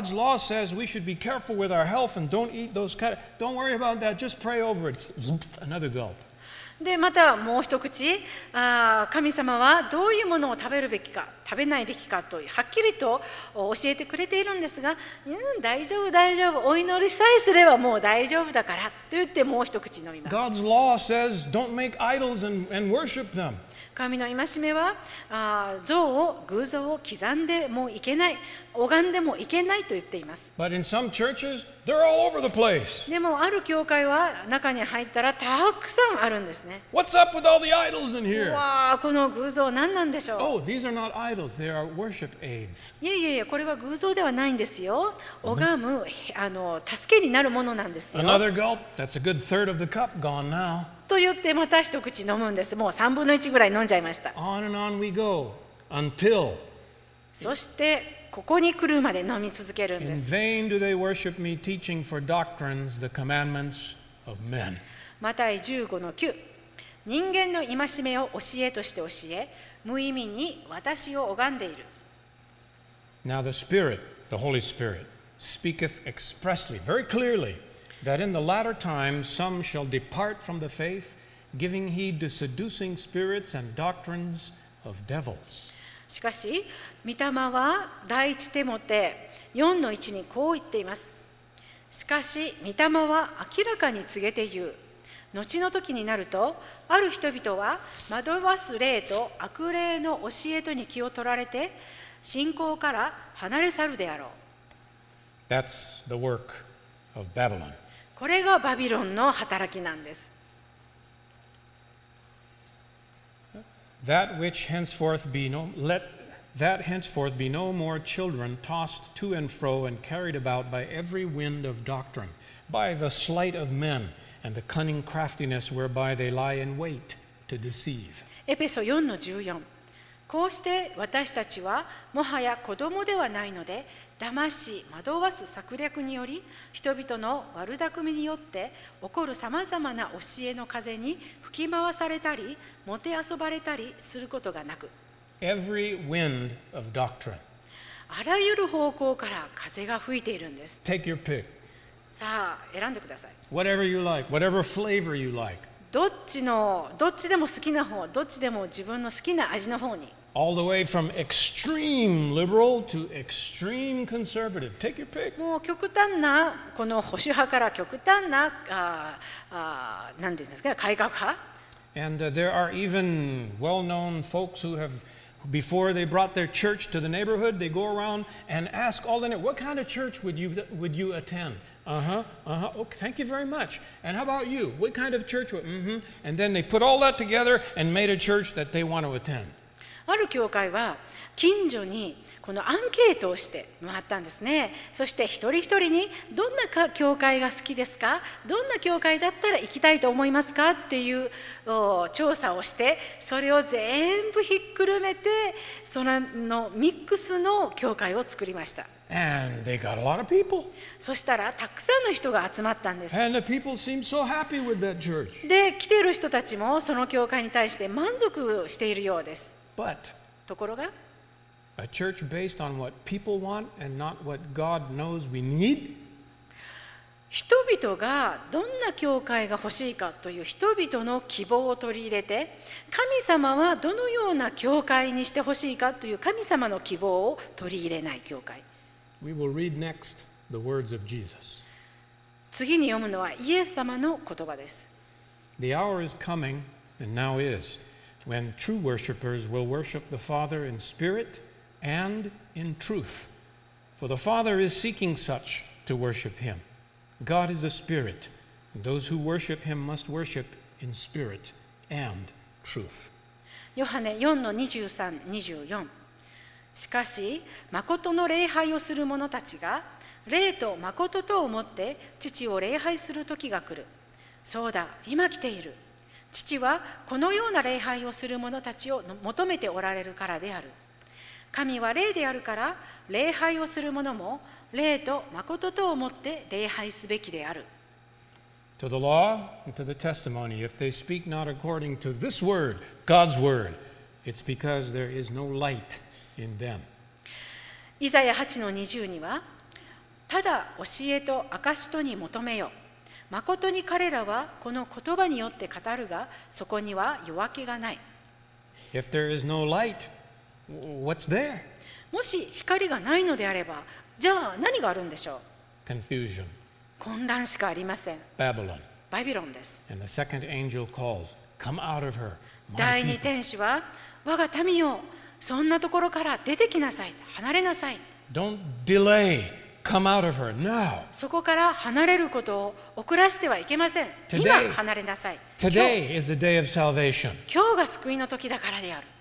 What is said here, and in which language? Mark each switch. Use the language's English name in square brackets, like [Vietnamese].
[English] Well, God's law says we should be careful with our health and don't eat those kind. Don't worry about that. Just pray over it. Another gulp. [Japanese] で、またもう一口。ああ、神様はどういうものを食べるべきか、食べないべきかとはっきりと教えてくれているんですが、うん、大丈夫大丈夫、お祈りさえすればもう大丈夫だからと言ってもう一口飲みます。 [English] God's law says, don't make idols and worship them. [Japanese] 神の戒めは、像を偶像を刻んでもいけない、拝んでもいけないと言っています。 [English] But in some churches, they're all over the place. [Japanese] でもある教会は中に入ったらたくさんあるんですね。 [English] What's up with all the idols in here? [Japanese] わあ、この偶像何なんでしょう。 [English] Oh, these are not idols. They are worship aids. [Japanese] いやいやいや、これは偶像ではないんですよ。拝む、助けになるものなんですよ。 [English] Another gulp. That's a good third of the cup gone now. [Japanese] と言ってまた一口飲むんです。もう3分の1ぐらい飲んじゃいました。 [English] On and on we go, until... [Japanese] そしてここに来るまで飲み続けるんです。 [English] In vain do they worship me, teaching for doctrines the commandments of men. [Japanese] マタイ 15-9 人間の戒めを教えとして教え、無意味に私を拝んでいる。 [English] Now the Spirit, the Holy Spirit, speaketh expressly, very clearly,That in the latter time some shall depart from the faith, giving heed to seducing spirits and doctrines of devils. [Japanese] しかし、御霊は第一テモテ四の一にこう言っています。しかし、御霊は明らかに告げて言う。後の時になると、ある人々は惑わす霊と悪霊の教えとに気を取られて、信仰から離れ去るであろう。 [English] That's the work of Babylon. [Japanese] これがバビロンの働きなんです。 [English] That which henceforth be no, let that henceforth be no more children tossed to and fro and carried about by every wind of doctrine, by the sleight of men and the cunning craftiness whereby they lie in wait to deceive. [Japanese] エペソ 4-14 こうして私たちはもはや子供ではないので、騙し惑わす策略により人々の悪巧みによって起こるさまざまな教えの風に吹き回されたりもてあそばれたりすることがなく [English] Every wind of doctrine. [Japanese] あらゆる方向から風が吹いているんです [English] Take your pick. [Japanese] さあ選んでください [English] Whatever you like, whatever flavor you like. [Japanese] どっちでも好きな方どっちでも自分の好きな味の方に [English] All the way from extreme liberal to extreme conservative. Take your pick. [Japanese] もう極端なこの保守派から極端な何て言うんですか改革派。 [English] And there are even well-known folks who have, before they brought their church to the neighborhood, they go around and ask all the neighbors, what kind of church would you attend? Okay, thank you very much. And how about you? What kind of church would? And then they put all that together and made a church that they want to attend. [Japanese] ある教会は近所にこのアンケートをして回ったんですね。そして一人一人にどんな教会が好きですか、どんな教会だったら行きたいと思いますかっていう調査をして、それを全部ひっくるめてそのミックスの教会を作りました。 [English] And they got a lot of people. [Japanese] そしたらたくさんの人が集まったんです。 [English] And the people seem so happy with that church. [Japanese] で、来ている人たちもその教会に対して満足しているようです。 [English] But [Japanese] ところが、 [English] a church based on what people want and not what God knows we need? [Japanese] 人々がどんな教会が欲しいかという人々の希望を取り入れて、神様はどのような教会にして欲しいかという神様の希望を取り入れない教会。 [English] We will read next the words of Jesus. [Japanese] 次に読むのはイエス様の言葉です。 [English] The hour is coming and now is. When true worshippers will worship the Father in spirit and in truth. For the Father is seeking such to worship him. God is a spirit, Those who worship him must worship in spirit and truth. [Japanese] ヨハネ 4-23-24。しかし、誠の礼拝をする者たちが、霊と誠とをもって父を礼拝する時が来る。そうだ、今来ている。父はこのような礼拝をする者たちを求めておられるからである。神は霊であるから、礼拝をする者も霊と誠とをもって礼拝すべきである。 [English] To the law and to the testimony, if they speak not according to this word, God's word, it's because there is no light in them. [Japanese] イザヤ 8-20 には、ただ教えと証とに求めよ。誠に彼らはこの言葉によって語るが、そこには夜明けがない。 [English] If there is no light, what's there? [Japanese] もし光がないのであれば、じゃあ何があるんでしょう? [English] Confusion. [Japanese] 混乱しかありません。 [English] Babylon. [Japanese] バビロンです。 [English] And the second angel calls, "Come out of her, my people." [Japanese] 第二天使は、我が民よ、そんなところから出てきなさい、離れなさい。 [English] Don't delay. Come out of her now. [Japanese] そこから離れることを遅らせてはいけません。 [English] Today, [Japanese] 今離れなさい。 [English] Today is the day of salvation. [Japanese] 今日が救いの時だからである。